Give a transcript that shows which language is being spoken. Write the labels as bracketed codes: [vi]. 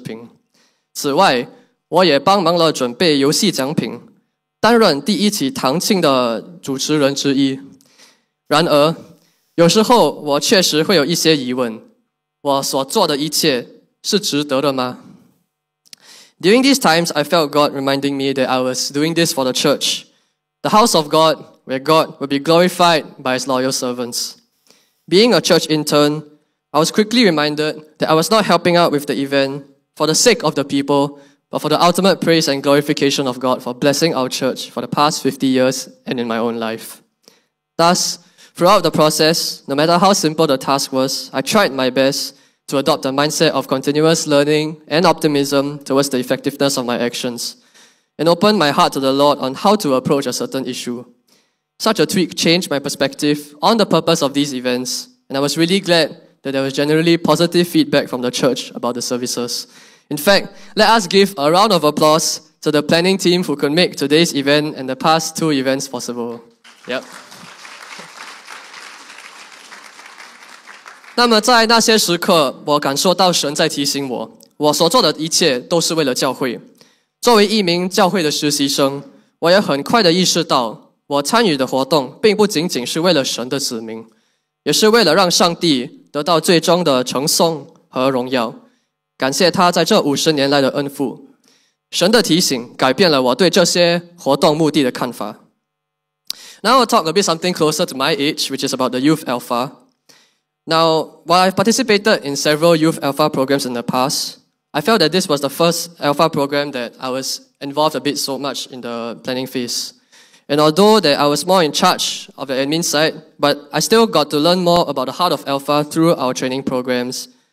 [zh] 在加南堂50周年的堂庆中，我主要负责制作一些的视频。如果你记得其中的任何视频，他们很可能是由我制作的，包括你们刚才看到的那个视频。此外， 我也帮忙了准备游戏奖品，担任第一期堂庆的主持人之一。然而，有时候我确实会有一些疑问，我所做的一切是值得的吗？ [en] During these times, I felt God reminding me that I was doing this for the church, the house of God, where God would be glorified by his loyal servants. Being a church intern, I was quickly reminded that I was not helping out with the event for the sake of the people, but for the ultimate praise and glorification of God for blessing our church for the past 50 years and in my own life. Thus, throughout the process, no matter how simple the task was, I tried my best to adopt a mindset of continuous learning and optimism towards the effectiveness of my actions, and open my heart to the Lord on how to approach a certain issue. Such a tweak changed my perspective on the purpose of these events, and I was really glad that there was generally positive feedback from the church about the services. In fact, let us give a round of applause to the planning team who could make today's event and the past two events possible. Yep. [zh] 那么在那些时刻，我感受到神在提醒我，我所做的一切都是为了教会。作为一名教会的实习生，我也很快地意识到，我参与的活动并不仅仅是为了神的子民，也是为了让上帝得到最终的称颂和荣耀，感谢他在这50年来的恩赋。神的提醒改变了我对这些活动目的的看法。 [en] Now I'll talk a bit something closer to my age, which is about the Youth Alpha. Now, while I've participated in several Youth Alpha programs in the past, I felt that this was the first Alpha program that I was involved a bit so much in the planning phase. And although that I was more in charge of the admin side, but I still got to learn more about the heart of Alpha through our training programs.